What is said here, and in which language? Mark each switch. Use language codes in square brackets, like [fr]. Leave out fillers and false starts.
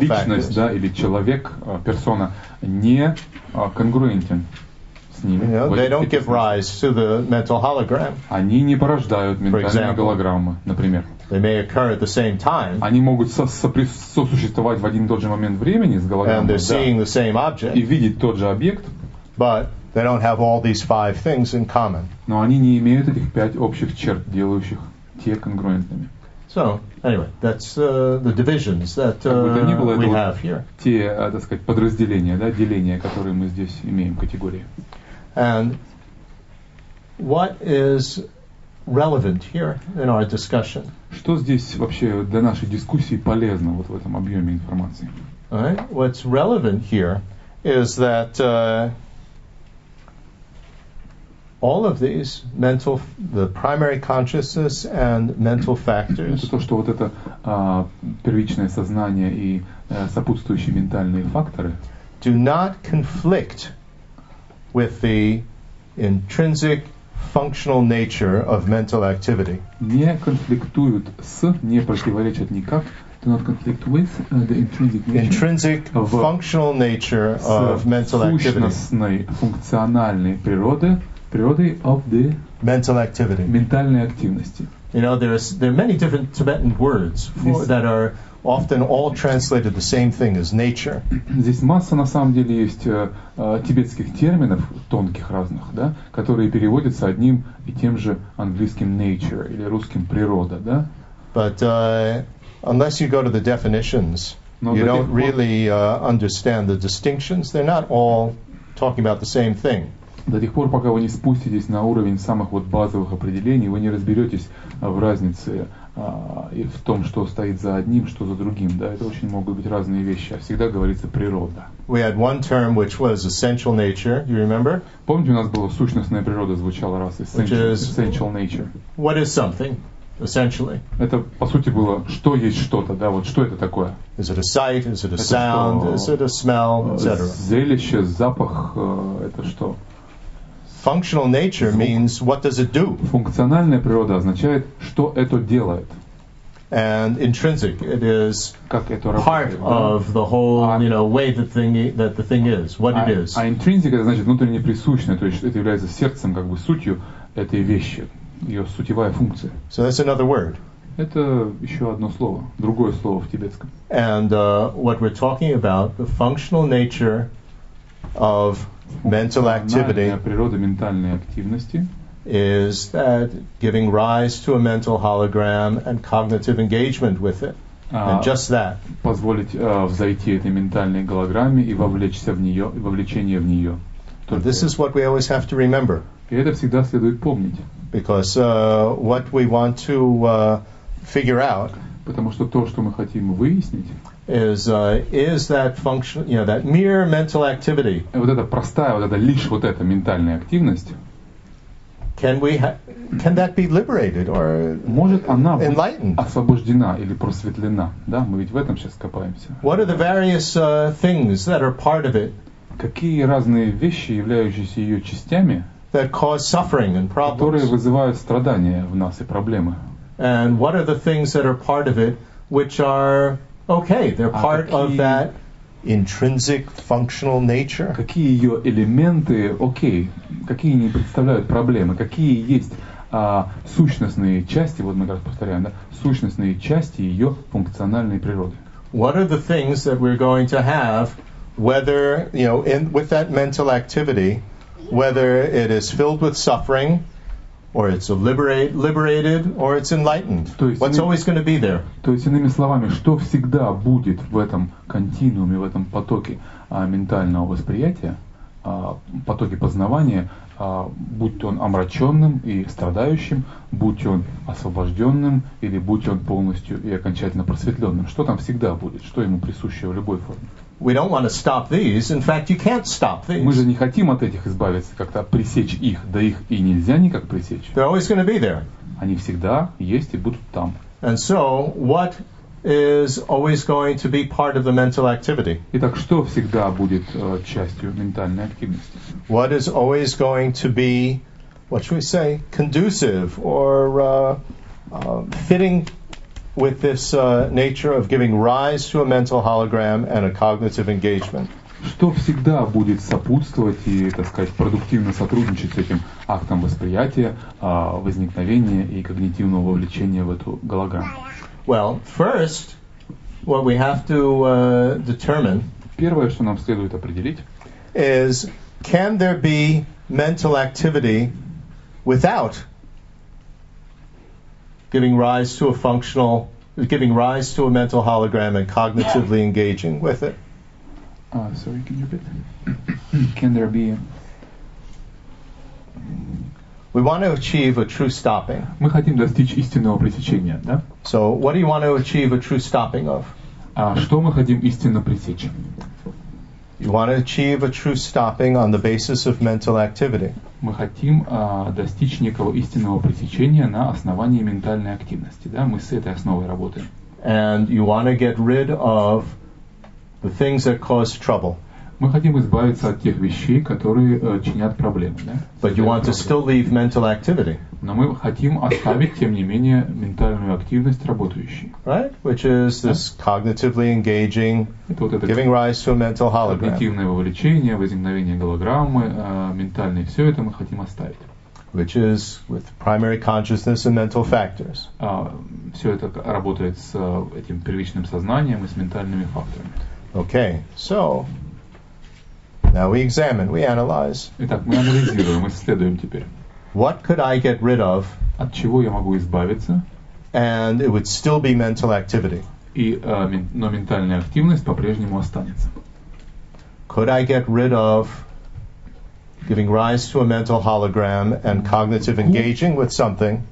[ru] личность, [en] factors. [ru] Но личность, да, или человек, персона, не конгруентен с ними. [en] You know, they don't give rise to the mental hologram. [ru] Они не порождают ментальные голограммы, например. [en] They may occur at the same time. [ru] Они могут сосуществовать в один и тот же момент времени с голограммой. [en] And they're seeing, [ru] да, [en] the same object. [ru] И видеть тот же объект. [en] But they don't have all these five things in common. [ru] Но они не имеют этих пять общих черт, делающих те конгруентными. [en] So, anyway, that's the divisions that we have here. [ru] Те, так сказать, подразделения, да, деления, которые мы здесь имеем, категории. [en] And what is relevant here in our discussion? [ru] Что здесь вообще для нашей дискуссии полезно вот в этом объеме информации? [en] All right. What's relevant here is that all of these mental, the primary consciousness and mental factors. [ru] Это то, что вот это первичное сознание и сопутствующие ментальные факторы. [en] Do not conflict with the intrinsic functional nature of mental activity. [ru] Не конфликтуют с, не противоречат никак. [en] Do not conflict with the intrinsic nature. Intrinsic functional nature of mental activity. [ru] Сущностной функциональной природы. [en] Природы of the mental activity. [ru] Ментальной активности. [en] You know, there are many different Tibetan words for, that are often all translated the same thing as nature. [ru] Здесь масса, на самом деле, есть тибетских терминов, тонких разных, да, которые переводятся одним и тем же английским nature или русским природа, да. [en] But unless you go to the definitions, но you don't really understand the distinctions. They're not all talking about the same thing. [ru] До тех пор, пока вы не спуститесь на уровень самых вот базовых определений, вы не разберетесь в разнице и в том, что стоит за одним, что за другим. Да, это очень могут быть разные вещи. А всегда говорится природа. [en] We had one term, which was essential nature. You remember? [ru] Помните, у нас была сущностная природа, звучала раз. [en] Essential nature. What is something? Essentially. [ru] Это по сути было, что есть что-то, да, вот что это такое? [en] Is it a sight? Is it a sound? Is it a smell? Etc. [ru] Зрелище, запах, это что? [en] Functional nature means what does it do? [ru] Функциональная природа означает, что это делает. [en] And intrinsic, it is part of the whole, you know, way the thing is, what it is. [ru] А intrinsic это значит внутренне присущное, то есть это является сердцем, как бы сутью этой вещи, ее сутевая функция. [en] So that's another word. [ru] Это еще одно слово, другое слово в тибетском. [en] And what we're talking about, the functional nature of mental activity, [ru] природа ментальной активности, [en] is that giving rise to a mental hologram and cognitive engagement with it, and just that. [ru] Позволить взойти этой ментальной голограмме и вовлечься в нее, и вовлечение в нее. [en] This is what we always have to remember. [ru] И это всегда следует помнить. [en] Because what we want to figure out. [ru] Потому что то, что мы хотим выяснить. [en] is that function, you know, that mere mental activity. [ru] Вот эта простая, вот эта лишь вот эта ментальная активность. [en] Can that be liberated or [ru] может она [en] enlightened? [ru] Освобождена или просветлена? Да, мы ведь в этом сейчас копаемся. [en] What are the various things that are part of it? [ru] Какие разные вещи, являющиеся ее частями, [en] that cause suffering and problems? [ru] Которые вызывают страдания в нас и проблемы? [en] And what are the things that are part of it which are okay, they're part of that intrinsic functional nature? [ru] Какие ее элементы, окей, какие не представляют проблемы, какие есть сущностные части, вот мы как раз повторяем, да, сущностные части ее функциональной природы. [en] What are the things that we're going to have, whether, you know, in, with that mental activity, whether it is filled with suffering, or it's liberated, or it's enlightened. What's always going to be there? [ru] То есть, иными словами, что всегда будет в этом континууме, в этом потоке ментального восприятия, потоке познавания, будь он омраченным и страдающим, будь он освобожденным, или будь он полностью и окончательно просветленным. Что там всегда будет? Что ему присуще в любой форме? [en] We don't want to stop these. In fact, you can't stop these. [ru] Мы же не хотим от этих избавиться, как-то пресечь их. Да их и нельзя никак пресечь. [en] They're always going to be there. [ru] Они всегда есть и будут там. [en] And so, what is always going to be part of the mental activity? [ru] Итак, что всегда будет частью ментальной активности? [en] What is always going to be, what should we say, conducive or fitting with this nature of giving rise to a mental hologram and a cognitive engagement. [ru] Что всегда будет сопутствовать и, так сказать, продуктивно сотрудничать с этим актом восприятия, возникновения и когнитивного вовлечения в эту голограмму? [en] Well, first, what we have to determine. [ru] Первое, что нам следует определить, [en] is can there be mental activity without giving rise to a functional, giving rise to a mental hologram and cognitively engaging with it. Sorry, can you repeat? Can there be? We want to achieve a true stopping. [ru] Мы хотим достичь истинного пресечения, да? [en] So, what do you want to achieve a true stopping of? [ru] Что мы хотим истинно пресечь? [en] You want to achieve a true stopping on the basis of mental activity. [ru] Мы хотим достичь некого истинного пресечения на основании ментальной активности, да? Мы с этой основой работаем. [en] And you want to get rid of the things that cause trouble. [ru] Мы хотим избавиться от тех вещей, которые чинят проблемы, да? [en] But you want to still leave mental activity. [ru] Но мы хотим оставить, тем не менее, ментальную активность работающей. [en] Right? Which is this cognitively engaging, giving rise to a mental hologram. [ru] Когнитивное вовлечение, возникновение голограммы, ментальное, все это мы хотим оставить. [en] Which is with primary consciousness and mental factors. [ru] Все это работает с этим первичным сознанием и с ментальными факторами. [en] Okay, so now we examine, we analyze. [ru] Итак, мы анализируем, мы исследуем теперь. [en] What could I get rid of? [ru] От чего я могу избавиться? [en] And it would still be mental activity. [ru] И но ментальная активность по-прежнему останется. [en] Could I get rid of giving rise to a mental hologram and cognitive engaging with something?